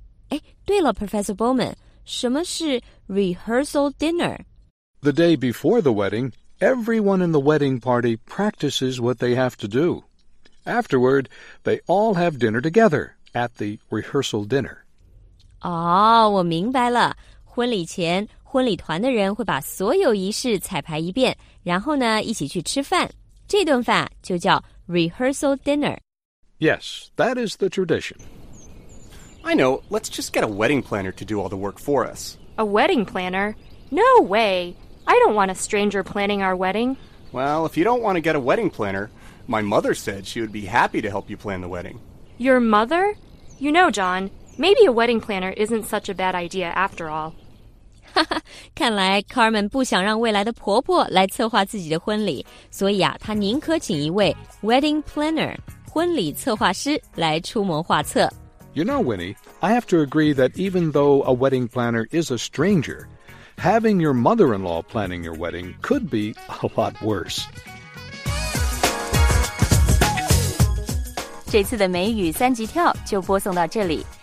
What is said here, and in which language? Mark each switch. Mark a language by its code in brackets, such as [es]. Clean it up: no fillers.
[zh] 哎，对了 ，Professor Bowman， 什么是 rehearsal dinner？ [en] The day before the wedding, everyone in the wedding party practices what they have to do. Afterward, they all have dinner together at the rehearsal dinner. [zh] 哦，我明白了。婚礼前，婚礼团的人会把所有仪式彩排一遍，然后呢，一起去吃饭。这顿饭就叫 rehearsal dinner. [en] Yes, that is the tradition. I know, let's just get a wedding planner to do all the work for us. A wedding planner? No way! I don't want a stranger planning our wedding. Well, if you don't want to get a wedding planner, my mother said she would be happy to help you plan the wedding. Your mother? You know, John, maybe a wedding planner isn't such a bad idea after all. [zh] 看来 Carmen 不想让未来的婆婆来策划自己的婚礼，所以啊，她宁可请一位 wedding planner, 婚礼策划师来出谋划策。 [en] You know, Winnie, I have to agree that even though a wedding planner is a stranger, having your mother-in-law planning your wedding could be a lot worse. [zh] 这次的美语三级跳就播送到这里。